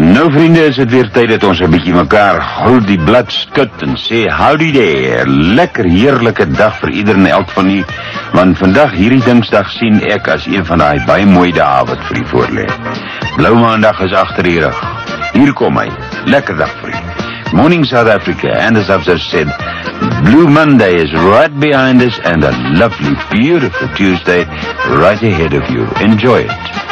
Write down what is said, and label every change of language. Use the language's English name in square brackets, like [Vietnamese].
[Dutch] Vrienden, is het weer tijd dat [Afrikaans] ons een beetje mekaar hou die blad skud en sê [English] howdy there. [Afrikaans] Lekker heerlijke dag vir ieder en elk van u. Want vandag, hierdie dinsdag, sien ek as een van die baie mooie dae wat vir u voorlê. Blou maandag is agter die rug. Hier kom hy. Lekker dag vir u. [English] Morning South Africa, and as I've just said, Blue Monday is right behind us and a lovely, beautiful Tuesday right ahead of you. Enjoy it.